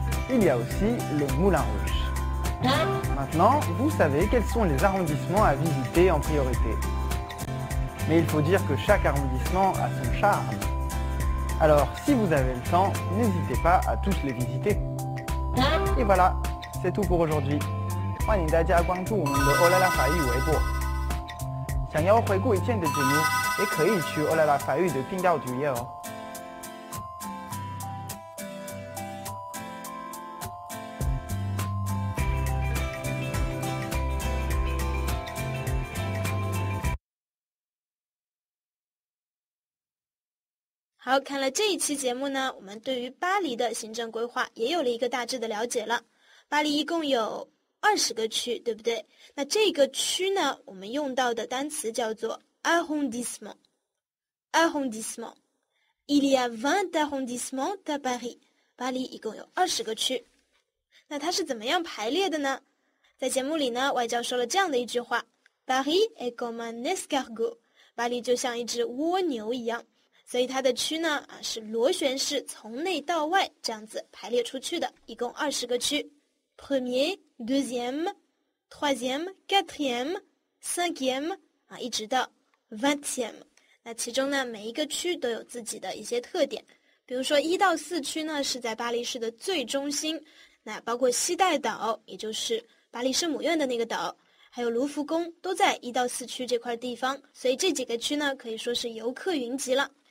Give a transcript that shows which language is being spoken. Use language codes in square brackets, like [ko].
[fr] Il y a aussi le Moulin Rouge. Maintenant, vous savez quels sont les arrondissements à visiter en priorité. Mais il faut dire que chaque arrondissement a son charme. Alors, si vous avez le temps, n'hésitez pas à tous les visiter. Et voilà, c'est tout pour aujourd'hui. [zh] 欢迎大家关注我们的 Oh là là 法语微博。想要回顾以前的节目，也可以去 Oh là là 法语的频道主页哦。好，看了这一期节目呢，我们对于巴黎的行政规划也有了一个大致的了解了。巴黎一共有20个区，对不对？那这个区呢，我们用到的单词叫做 arrondissement。 [fr] arrondissement， il y a 20 arrondissements de Paris。 [zh] 巴黎一共有20个区。那它是怎么样排列的呢？在节目里呢，外教说了这样的一句话 ： [fr] Paris est comme un escargot， [zh] 巴黎就像一只蜗牛一样。所以它的区呢是螺旋式从内到外这样子排列出去的，一共20个区。 [fr] Premier, deuxième, troisième, quatrième, cinquième, 一直到 vingtième。 [zh] 那其中呢每一个区都有自己的一些特点。比如说一到四区呢是在巴黎市的最中心，那包括西岱岛，也就是巴黎圣母院的那个岛。还有卢浮宫都在一到四区这块地方，所以这几个区呢可以说是游客云集了。